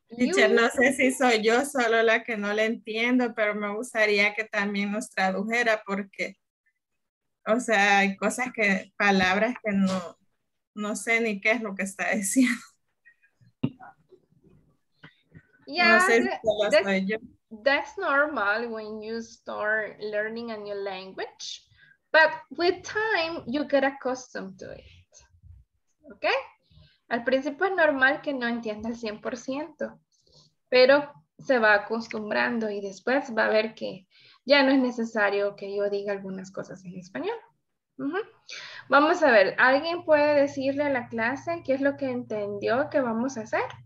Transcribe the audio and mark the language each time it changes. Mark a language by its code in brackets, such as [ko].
[es] Teacher, no sé si soy yo solo la que no le entiendo, pero me gustaría que también nos tradujera porque... O sea, hay cosas que, palabras que no sé ni qué es lo que está diciendo. [en] Yeah, [es] no sé si [en] that's normal when you start learning a new language, but with time you get accustomed to it, okay? [es] Al principio es normal que no entienda el 100%, pero se va acostumbrando y después va a ver que ya no es necesario que yo diga algunas cosas en español. Vamos a ver, ¿alguien puede decirle a la clase qué es lo que entendió que vamos a hacer?